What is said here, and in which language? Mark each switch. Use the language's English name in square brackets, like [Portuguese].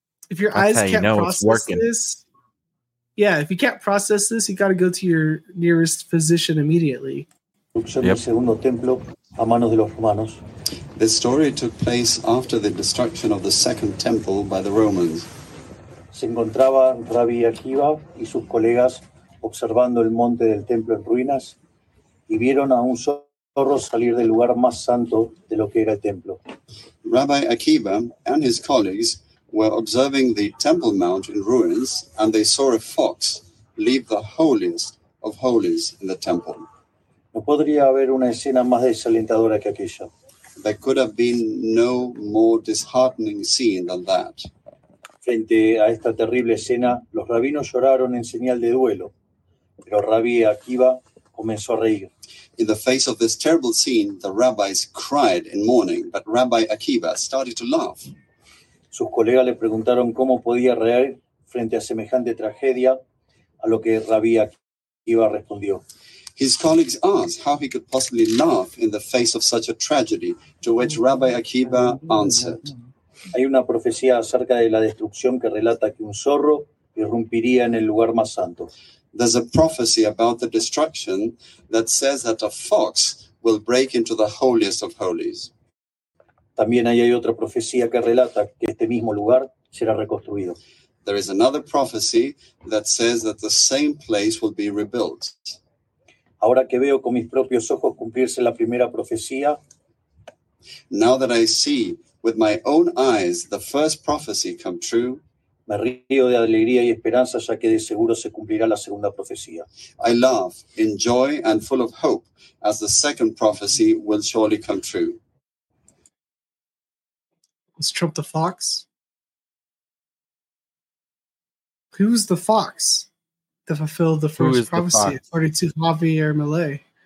[English] If your eyes can't process this, yeah, if you can't process this, you got to go to your nearest physician immediately. Yep. This story took place after the destruction of the second temple by the Romans. [Spanish] Se encontraba Rabbi Akiva y sus colegas observando el monte del templo en ruinas y vieron a un zorro salir del lugar más santo de lo que era el templo. [English] Rabbi Akiva and his colleagues were observing the Temple Mount in ruins, and they saw a fox leave the holiest of holies in the temple. [Spanish] No podría haber una escena más desalentadora que aquella. [English] There could have been no more disheartening scene than that. [Spanish] Frente a esta terrible escena, los rabinos lloraron en señal de duelo, pero Rabbi Akiva comenzó a reír. [English] In the face of this terrible scene, the rabbis cried in mourning, but Rabbi Akiva started to laugh. [Spanish] Sus colegas le preguntaron cómo podía reír frente a semejante tragedia, a lo que Rabbi Akiva respondió. [English] His colleagues asked how he could possibly laugh in the face of such a tragedy, to which Rabbi Akiva answered. [Spanish] Hay una profecía acerca de la destrucción que relata que un zorro irrumpiría en el lugar más santo. [English] There's a prophecy about the destruction that says that a fox will break into the holiest of holies. [Spanish] También hay otra profecía que relata que este mismo lugar será reconstruido. [English] There is another prophecy that says that the same place will be rebuilt. [Spanish] Ahora que veo con mis propios ojos cumplirse la primera profecía, [English] now that I see with my own eyes the first prophecy come true, [Spanish] me río de alegría y esperanza, ya que de seguro se cumplirá la segunda profecía. [English] I laugh in joy and full of hope, as the second prophecy will surely come true. Was Trump the fox? Who's the fox that fulfilled the first prophecy, according to Javier Milei?